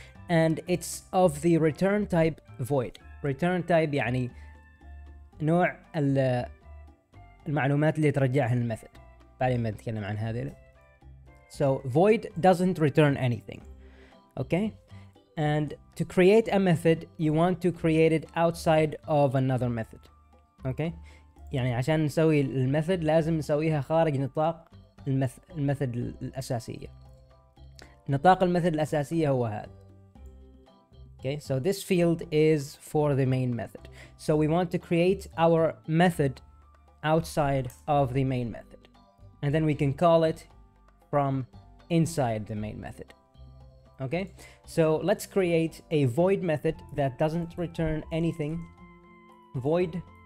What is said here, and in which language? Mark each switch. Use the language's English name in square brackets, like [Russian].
[English] And it's of the return type void. [Arabic] Return type يعني نوع المعلومات اللي ترجعها الميثود. بعدين بنتكلم عن هذه. [English] So void doesn't return anything. Okay? And to create a method, you want to create it outside of another method. Okay? [Arabic] يعني عشان نسوي الميثود لازم نسويها خارج نطاق الميثود الأساسية. نطاق الميثود الأساسية هو هذا. [English] Okay, so this field is for the main method. So we want to create our method outside of the main method. And then we can call it from inside the main method. Okay, so let's create a void method that doesn't return anything. Void.